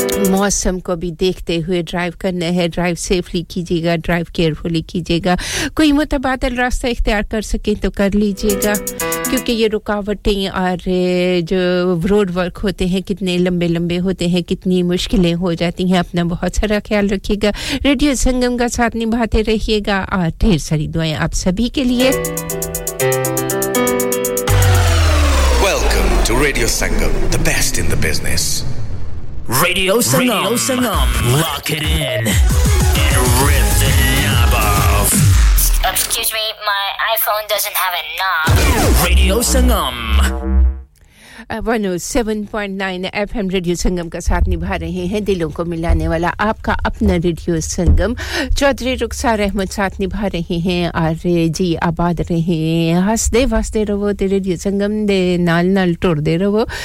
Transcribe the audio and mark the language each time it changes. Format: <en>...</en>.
<ur>موسم کو بھی دیکھتے ہوئے ڈرائیو کرنا ہے ڈرائیو سیفلی کیجیے گا ڈرائیو کیئرفلی کیجیے گا کوئی متبادل راستہ اختیار کر سکیں تو کر لیجیے گا کیونکہ یہ رکاوٹیں اور جو روڈ ورک ہوتے ہیں کتنے لمبے لمبے ہوتے ہیں کتنی مشکلیں ہو جاتی ہیں اپنا بہت سارا خیال رکھیے گا ریڈیو سنگم کا ساتھ نبھاتے رہیے گا اور ڈھیر ساری دعائیں آپ سبھی کے لیے</ur> <en>Welcome to Radio Sangam the best in the business Radio Sangam. Radio Sangam. Lock it in. And rip the knob off. Excuse me, my iPhone doesn't have a knob. Radio Sangam.</en> <ur>107.9 FM radio سنگم کا ساتھ نبھا رہے ہیں دلوں کو ملانے والا آپ کا اپنا ریڈیو سنگم چودھری رخسار احمد ساتھ نبھا رہے ہیں اور</ur> <pa>جی آباد رہے ہنستے واسطے رہو تو ریڈیو سنگم دے نال نال ٹور دے رہو</pa>